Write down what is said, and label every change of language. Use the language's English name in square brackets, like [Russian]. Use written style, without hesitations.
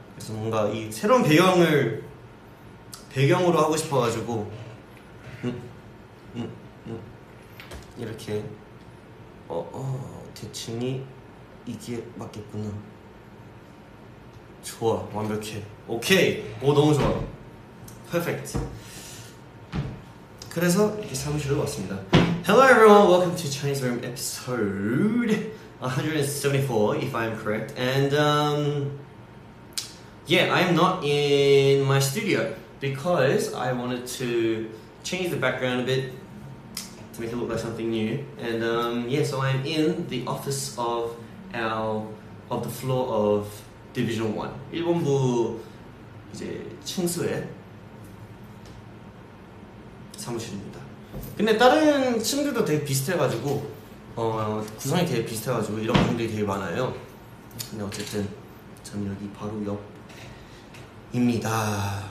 [Korean] 그래서 뭔가 이 새로운 배경을 배경으로 하고 싶어가지고 이렇게 대칭이 이게 맞겠구나. 좋아, 완벽해. 오케이. 오, 너무 좋아. 퍼펙트. 그래서 이렇게 사무실로 왔습니다. [English] Hello everyone, welcome to Chinese Room episode 174, if I'm correct. And I'm not in my studio because I wanted to change the background a bit to make it look like something new. And so I'm in the office of the floor of Division 1. [Korean] 일본부 이제 층수의 사무실입니다. 근데 다른 층들도 되게 비슷해가지고 구성이 되게 비슷해가지고 이런 분들이 되게 많아요. 근데 어쨌든 저는 여기 바로 옆입니다.